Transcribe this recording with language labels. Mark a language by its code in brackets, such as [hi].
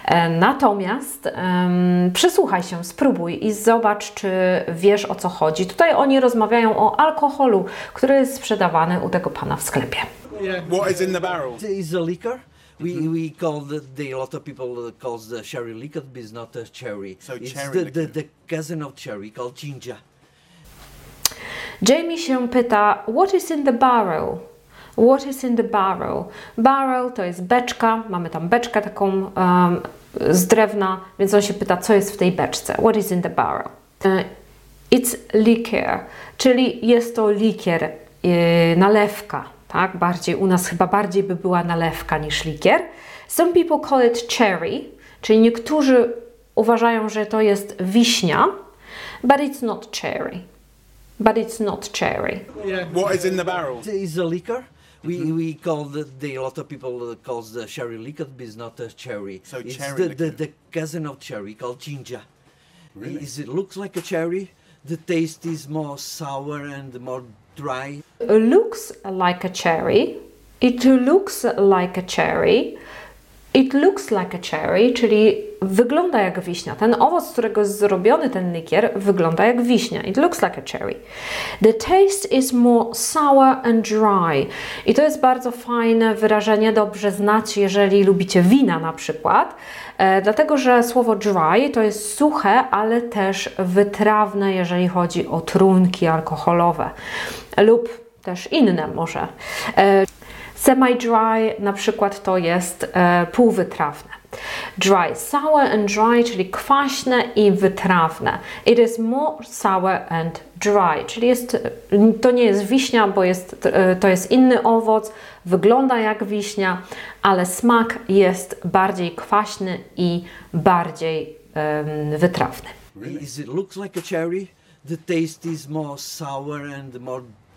[pl] Natomiast przysłuchaj się, spróbuj i zobacz, czy wiesz, o co chodzi. Tutaj oni rozmawiają o alkoholu, który jest sprzedawany u tego pana w sklepie. [en] Yeah. What is in the barrel? It's a liquor. We call the a lot of people calls the sherry liquor, but it's not a cherry. So it's cherry the cousin of cherry called ginger. [pl] Jamie się pyta, [en] what is in the barrel? What is in the barrel? [pl] Barrel to jest beczka, mamy tam beczkę taką z drewna, więc on się pyta, co jest w tej beczce? [en] What is in the barrel? It's liquor, [pl] czyli jest to likier, nalewka. Tak, bardziej, u nas chyba bardziej by była nalewka niż likier. [en] Some people call it cherry, [pl] czyli niektórzy uważają, że to jest wiśnia. [en] But it's not cherry. But it's not cherry. Yeah. What is in the barrel? It's a liquor. We call the a lot of people calls the sherry liquor, but it's not a cherry. So it's cherry the cousin of cherry called ginger. Really? It looks like a cherry. The taste is more sour and more dry. Looks like a cherry. It looks like a cherry. It looks like a cherry, [pl] czyli wygląda jak wiśnia. Ten owoc, z którego jest zrobiony ten likier, wygląda jak wiśnia. [en] It looks like a cherry. The taste is more sour and dry. [pl] I to jest bardzo fajne wyrażenie, dobrze znać, jeżeli lubicie wina na przykład. Dlatego, że słowo dry to jest suche, ale też wytrawne, jeżeli chodzi o trunki alkoholowe. Lub też inne może. Semi-dry na przykład to jest półwytrawne. [en] Dry, sour and dry, [pl] czyli kwaśne i wytrawne. [en] It is more sour and dry, [pl] czyli jest, to nie jest wiśnia, bo jest, to jest inny owoc, wygląda jak wiśnia, ale smak jest bardziej kwaśny i bardziej wytrawny. [en] Really? Is it looks like a cherry? The taste is more sour and more dry.